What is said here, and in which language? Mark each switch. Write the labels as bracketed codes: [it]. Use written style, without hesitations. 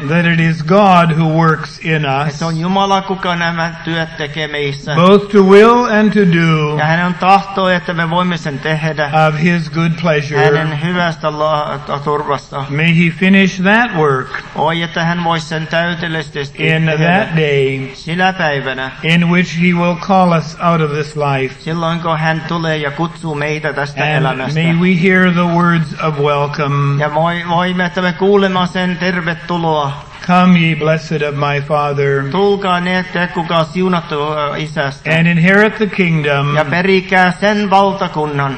[en] that it is God who works in us, [fi] että on Jumala, kuka nämä työt tekee meissä, [en] both to will and to do, [fi] ja hän on tahto, että me voimme sen tehdä, [en] of his good pleasure. [fi] Hänen hyvästä turvasta. [en] May he finish that work [fi] että hän voisi sen täydellisesti tehdä, [en] in that day, [fi] sinä päivänä, [en] in which he will call us out of this life. [fi] Silloin kun hän tulee ja kutsuu meitä tästä elämästä. [en] May we hear the words of welcome. [fi] Ja voimme, että me kuulemme sen tervetuloa. [en] Come ye blessed of my Father. [fi] Tulkaa ne, te kuka siunattu isästä. [en] And inherit the kingdom. [fi] Ja perikää sen valtakunnan.